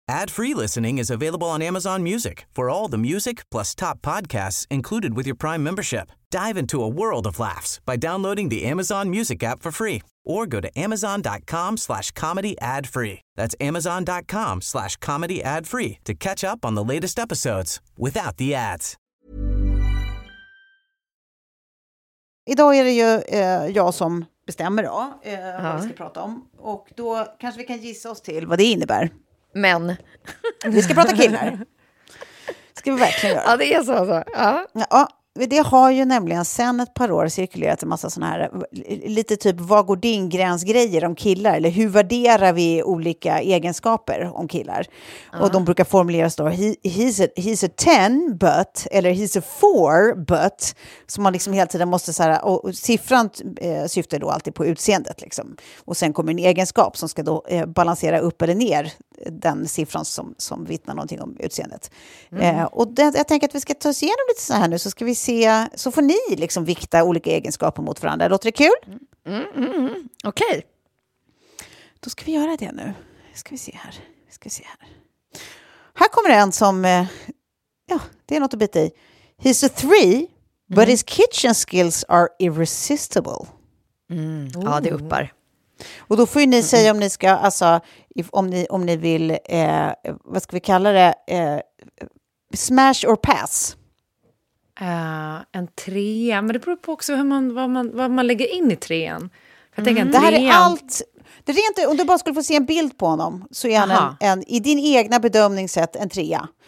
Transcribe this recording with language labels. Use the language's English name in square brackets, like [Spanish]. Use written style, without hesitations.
[English] Ad-free listening is available on Amazon Music for all the music plus top podcasts included with your Prime membership. Dive into a world of laughs by downloading the Amazon Music app for free or go to amazon.com/comedyadfree. That's amazon.com/comedyadfree to catch up on the latest episodes without the ads. [Swedish] Idag är det ju jag som bestämmer då, vad vi ska prata om. Och då kanske vi kan gissa oss till vad det innebär. Men. Vi ska prata killar. Ska vi verkligen göra. Ja, det är så. Så. Ja. Ja, det har ju nämligen sen ett par år cirkulerat en massa såna här lite typ, vad går din gräns grejer om killar? Eller hur värderar vi olika egenskaper om killar? Uh-huh. Och de brukar formuleras då [English] he's a 10, but, [Swedish] eller [English] he's a 4, but, [Swedish] som man liksom hela tiden måste så här, och siffran syftar då alltid på utseendet liksom. Och sen kommer en egenskap som ska då balansera upp eller ner den siffran som vittnar någonting om utseendet. Mm. Och jag tänker att vi ska ta oss igenom lite så här nu, så ska vi se, så får ni liksom vikta olika egenskaper mot varandra. Låter det kul? Okej. Okay. Då ska vi göra det nu. Ska vi se här. Här kommer en som, ja, det är något att bita i. [English] He's a 3, but his kitchen skills are irresistible. [Swedish] Ja, det uppar. Och då får ju ni säga om ni ska, alltså, om ni vill, vad ska vi kalla det, [English] smash or pass? [Swedish] En 3, men det beror på också hur man, vad man lägger in i 3:an. Det här är allt, det är rent, om du bara skulle få se en bild på honom, så är han en i din egna bedömning sett en 3:a.